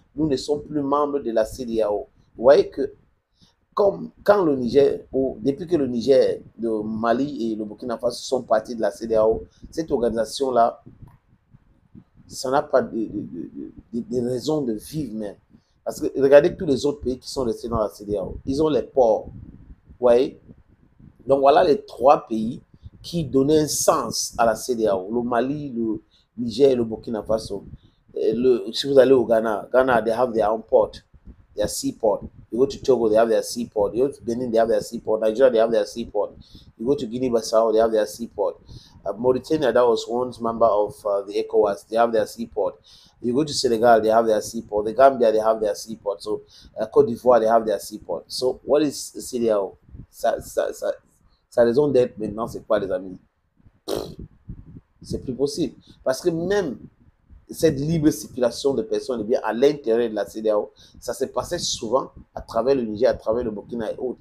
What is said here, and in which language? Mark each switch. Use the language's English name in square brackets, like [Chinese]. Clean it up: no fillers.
[French] Nous ne sommes plus membres de la CEDEAO. Vous voyez que quand le Niger, ou depuis que le Niger, le Mali et le Burkina Faso sont partis de la CEDEAO, cette organisation-là, ça n'a pas de raison de vivre même. Parce que regardez tous les autres pays qui sont restés dans la CEDEAO. Ils ont les ports. Vous voyez? Donc voilà les trois pays qui donnait un sens à la CEDEAO, le Mali, le Niger, le Burkina Faso. Si vous allez au Ghana, [English] they have their own port, their seaport. You go to Togo, they have their seaport. You go to Benin, they have their seaport. Nigeria, they have their seaport. You go to Guinea-Bissau, they have their seaport. Mauritania, that was once member of the ECOWAS, they have their seaport. You go to Senegal, they have their seaport. The Gambia, they have their seaport. So, Côte d'Ivoire, they have their seaport. So, what is CEDEAO? [French] Sa raison d'être maintenant, c'est quoi, les amis? C'est plus possible. Parce que même cette libre circulation de personnes, eh bien, à l'intérieur de la CEDEAO, ça s'est passé souvent à travers le Niger, à travers le Burkina et autres.